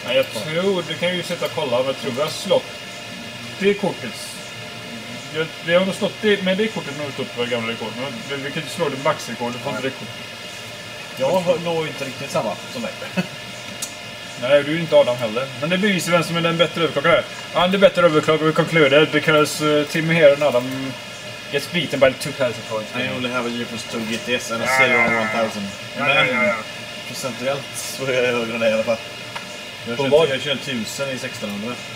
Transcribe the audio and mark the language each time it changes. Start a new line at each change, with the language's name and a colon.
Swedish: Nej, jag tror, du kan ju sitta och kolla, men jag tror vi har slått det kortet. Vi har nog stått det, men det kortet har nog stått på det gamla rekordet. Men vi kan inte slå det maxrekordet på det kortet. Jag når inte riktigt samma som dig. Nej, du är inte Adam heller. Men det bevisar vem som är den bättre överklockare. Han är bättre överklockare, vi konkluderar.
English: Because Timmy here and Adam gets beaten by 2,000 points. I only have a GeForce 2 GTS and a CR 1,000.
Swedish: Men procentuellt så är jag högre än det i alla fall. På vad? Jag kör 1,000 i 1600.